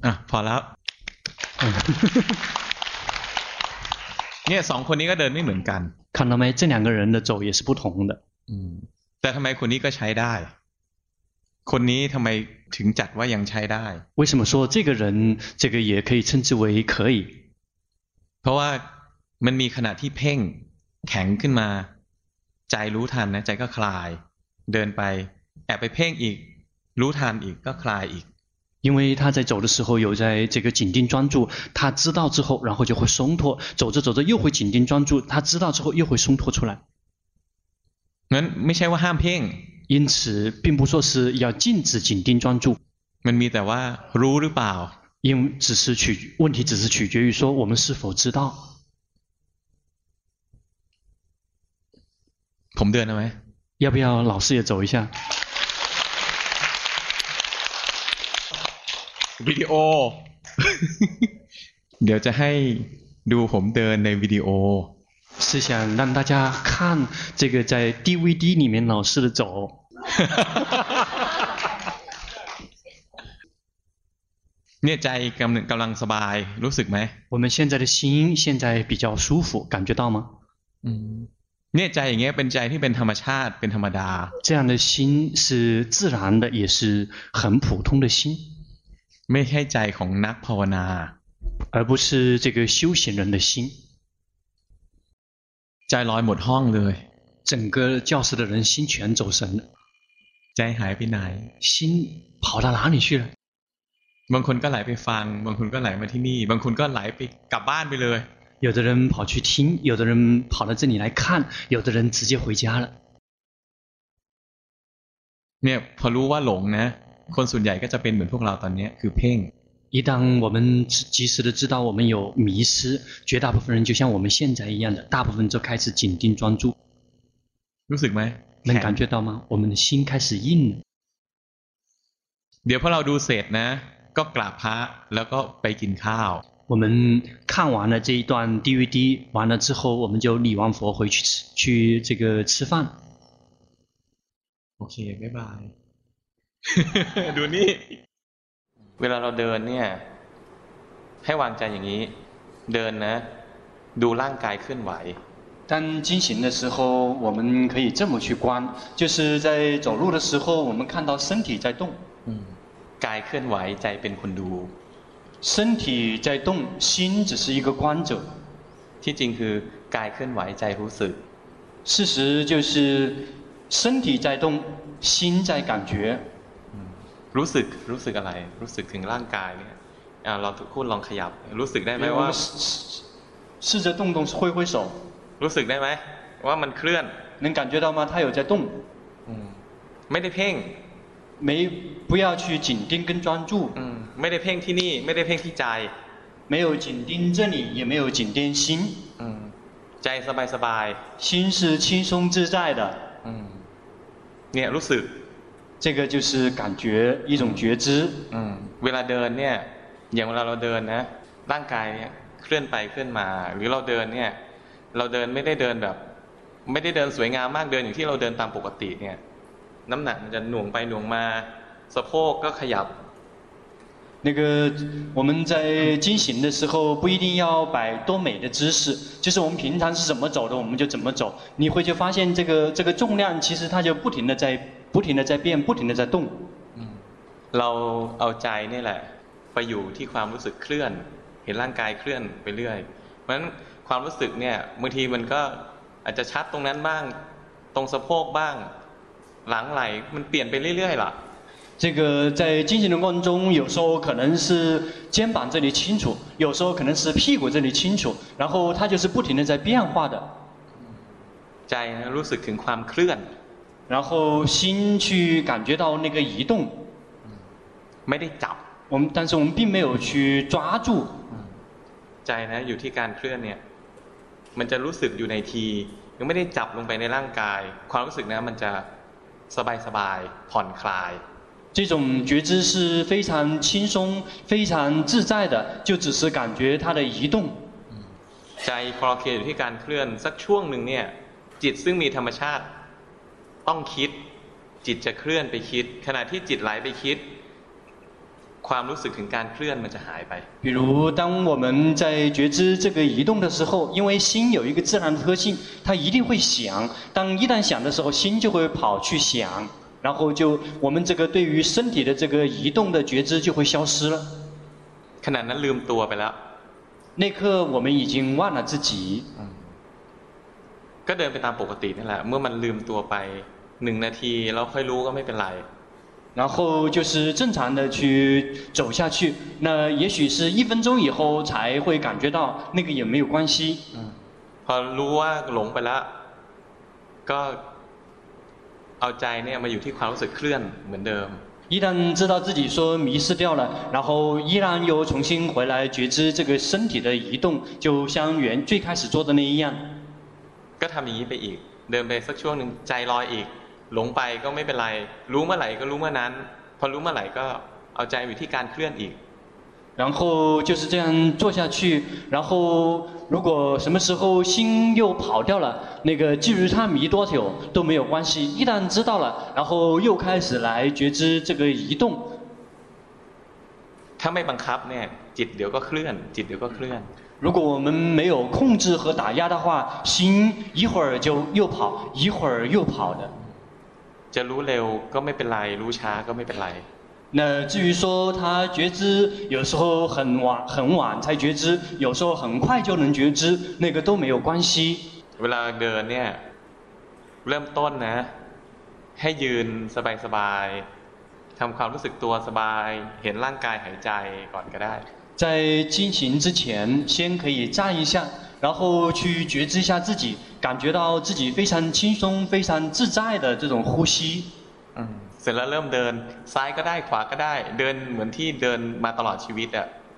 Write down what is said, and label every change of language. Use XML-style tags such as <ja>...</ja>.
<th>พอแล้วเนี่ยสองคนนี้ก็เดินไม่เหมือนกัน คันทำไมเจ้าหนึ่งคนนี้จะ</th> <zh>走也是不同的</zh> <th>แต่ทำไมคนนี้ก็ใช้ได้คนนี้ทำไมถึงจัดว่ายังใช้ได้</th> <zh>为什么说这个人这个也可以称之为可以</zh> <th>เพราะว่ามันมีขณะที่เพ่งแข็งขึ้นมาใจรู้ทันนะใจก็คลายเดินไปแอบไปเพ่งอีกรู้ทันอีกก็คลายอีก</th> <zh>因为他在走的时候有在这个紧盯专注他知道之后然后就会松脱走着走着又会紧盯专注他知道之后又会松脱出来</zh> <th>มันไม่ใช่ว่าห้ามเพ่ง</th> <zh>因此并不说是要禁止紧盯专注</zh> <th>มันมีแต่ว่ารู้หรือเปล่า</th> <zh>因为只是取问题只是取决于说我们是否知道</zh> <th>ผมเดินได้ไหม</th> <zh>要不要老师也走一下</zh> <th>วิดีโอเดี๋ยวจะให้ดูผมเดินในวิดีโ</th> <zh>อ是想让大家看这个在 DVD 里面老师的走</zh> <th>เนี่ยใจกำลังสบายรู้สึกไหม</th> <zh>我们现在的心现在比较舒服感觉到吗</zh> <th>เนี่ยใจอย่างเงี้ยเป็นใจที่เป็นธรรมชาติเป็นธรรมดา</th> <zh>这样的心是自然的也是很普通的心</zh> <th>ไม่ใช่ใจของนักภาวนา</th> <zh>而不是这个修行人的心</zh> <th>ใจลอยหมดห้องเลย</th> <zh>整个教室的人心全走神</zh> <th>ใจหายไปไหน</th> <zh>心跑到哪里去了</zh> <th>บางคนก็ไหลไปฟังบางคนก็ไหลมาที่นี่บางคนก็ไหลไปกลับบ้านไปเลย</th> <zh>有的人跑去听有的人跑到这里来看有的人直接回家了</zh> <th>เนี่ยพอรู้ว่าหลงนะคนส่วนใหญ่ก็จะเป็นเหมือนพวกเราตอนนี้คือเพ่ง</th> <zh>一旦我们及时的知道我们有迷失绝大部分人就像我们现在一样的大部分就开始紧盯专注</zh> <th>รู้สึกไหม</th> <zh>能感觉到吗我们的心开始硬了</zh> <th>เดี๋ยวพอเราดูเสร็จนะก็กราบพระแล้วก็ไปกินข้าว</th> <zh>我们看完了这一段 DVD 完了之后我们就礼完佛回去去这个吃饭</zh> <en>OK bye bye</en> <th>ดูนี่เวลาเราเดินเนี่ยให้วางใจอย่างนี้เดินนะดูร่างกายเคลื่อนไหว</th> <zh>当进行的时候我们可以这么去观就是在走路的时候我们看到身体在动</zh> <th>กายเคลื่อนไหวใจเป็นคนดู</th> <zh>身体在动心只是一个观者</zh> <th>ที่จริงคือกายเคลื่อนไหวใจรู้สึก</th> <zh>事实就是身体在动心在感觉</zh> <th>รู้สึกอะไรรู้สึกถึงร่างกายเนี่ยลองคุณลองขยับรู้สึกได้ไหมว่า</th> <zh>试着动动挥挥手</zh> <th>รู้สึกได้ไหมว่ามันเคลื่อน</th> <zh>能感觉到吗它有在动</zh> <th>ไม่ได้เพ่ง</th> <zh>没不要去紧盯跟专注</zh> <th>ไม่ได้เพ่งที่นี่ไม่ได้เพ่งที่ใจ</th> <zh>没有紧盯这里也没有紧盯心</zh> <th>ใจสบายสบาย</th> <zh>心是轻松自在的</zh> <th>เนี่ยรู้สึก</th> <zh>这个就是感觉一种觉知</zh> <th>เวลาเดินเนี่ยอย่างเวลาเราเดินนะร่างกายเนี่ยเคลื่อนไปเคลื่อนมาหรือเราเดินเนี่ยเราเดินไม่ได้เดินแบบไม่ได้เดินสวยงามมากเดินอย่างที่เราเดินตามปกติเนี่ยน้ำหนักมันจะหน่วงไปหน่วงมาสะโพกก็ขยับ</th> <zh>那个我们在进行的时候不一定要摆多美的姿势，就是我们平常是怎么走的，我们就怎么走。你会就发现这个重量其实它就不停的在变，不停的在动。</zh> <th>เราเอาใจนี่แหละไปอยู่ที่ความรู้สึกเคลื่อนเห็นร่างกายเคลื่อนไปเรื่อยเพราะฉะนั้นความรู้สึกเนี่ยบางทีมันก็อาจจะชัดตรงนั้นบ้างตรงสะโพกบ้างหลังไหลมันเปลี่ยนไปเรื่อยๆล่ะ</th> <zh>这个在进行的过程中，有时候可能是肩膀这里清楚，有时候可能是屁股这里清楚，然后它就是不停的在变化的。</zh> <th>在รู้สึกถึงความเคลื่อน，</th> <zh>然后心去感觉到那个移动。</zh> <th>ไม่ได้จับ，</th> <zh>但是我们并没有去抓住。</zh> <th>ใจนะอยู่ที่การเคลื่อนเนี่ยมันจะรู้สึกอยู่ในทียังไม่ได้จับลงไปในร่างกายความรู้สึกนะมันจะสบายสบายผ่อนคลาย</th> <zh>这种觉知是非常轻松非常自在的就只是感觉它的移动</zh> <th>ใจพอเคลื่อนอยู่ที่การเคลื่อนสักช่วงหนึ่งเนี่ยจิตซึ่งมีธรรมชาติต้องคิดจิตจะเคลื่อนไปคิดขณะที่จิตไหลไปคิดความรู้สึกถึงการเคลื่อนมันจะหายไป</th> <zh>比如当我们在觉知这个移动的时候因为心有一个自然的特性它一定会想当一旦想的时候心就会跑去想然后就我们这个对于身体的这个移动的觉知就会消失了</zh> <th>ขณะนั้นลืมตัวไปแล้ว</th> <zh>那刻我们已经忘了自己</zh> <th>ก็เดินไปตามปกตินั่นแหละเมื่อมันลืมตัวไป1นาทีเราค่อยรู้ก็ไม่เป็นไร</th> <zh>然后就是正常的去走下去那也许是一分钟以后才会感觉到那个也没有关系</zh> <th>พอรู้ว่าหลงไปแล้วก็เอาใจเนี่ยมาอยู่ที่ความรู้สึกเคลื่อนเหมือนเดิม</th> <zh>一旦知道自己说迷失掉了然后依然又重新回来觉知这个身体的移动就像原最开始做的那一样</zh> <th>ก็ทำอย่างนี้ไปอีกเดินไปสักช่วงหนึ่งใจลอยอีกหลงไปก็ไม่เป็นไรรู้เมื่อไหร่ก็รู้เมื่อนั้นพอรู้เมื่อไหร่ก็เอาใจอยู่ที่การเคลื่อนอีก</th> <zh>然后就是这样做下去然后如果什么时候心又跑掉了那个至于它迷多久都没有关系一旦知道了然后又开始来觉知这个移动</zh> <th>ถ้าไม่บังคับเนี่ยจิตเดี๋ยวก็เคลื่อนจิตเดี๋ยวก็เคลื่อน</th> <zh>如果我们没有控制和打压的话心一会儿就又跑一会儿又跑的</zh> <th>จะรู้เร็วก็ไม่เป็นไรรู้ช้าก็ไม่เป็นไร</th> <zh>那至于说他觉知有时候很晚才觉知有时候很快就能觉知那个都没有关系</zh> <th>เวลาเดินเนี่ยเริ่มต้นนะให้ยืนสบายสบายทำความรู้สึกตัวสบายเห็นร่างกายหายใจก่อนก็ได้</th> <zh>在进行之前先可以站一下然后去觉知一下自己感觉到自己非常轻松非常自在的这种呼吸</zh> <th>เสร็จแล้วเริ่มเดินซ้ายก็ได้ขวาก็ได้เดินเหมือนที่เดินมาตลอดชีวิตอ่ะ</th>